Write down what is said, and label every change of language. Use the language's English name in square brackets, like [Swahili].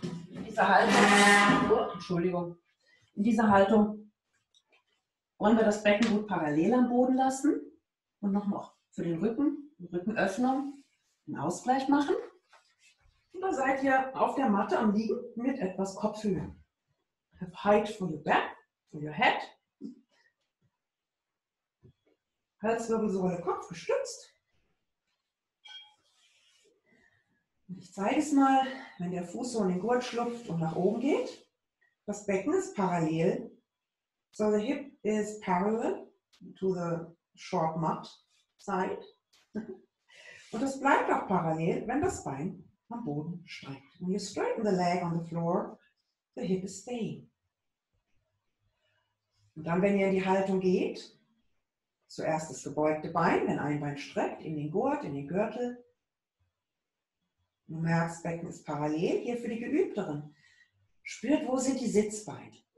[German] In dieser Haltung. Entschuldigung. In dieser Haltung wollen wir das Becken gut parallel am Boden lassen. Und nochmal für den Rücken, die Rückenöffnung, einen Ausgleich machen. Und dann seid ihr auf der Matte am Liegen mit etwas Kopfhöhe. [English] Have height for your back, for your head. [German] Halswirbelsäule, Kopf gestützt. Und ich zeige es mal, wenn der Fuß so in den Gurt schlupft und nach oben geht. Das Becken ist parallel. [English] So the hip is parallel to the short mat side. [German] Und es bleibt auch parallel, wenn das Bein am Boden streckt. [English] When you straighten the leg on the floor, the hip is staying. [German] Und dann, wenn ihr in die Haltung geht, zuerst das gebeugte Bein, wenn ein Bein streckt, in den Gurt, in den Gürtel. Du merkst, Becken ist parallel. Hier für die Geübteren. Spürt, wo sind die Sitzbeine?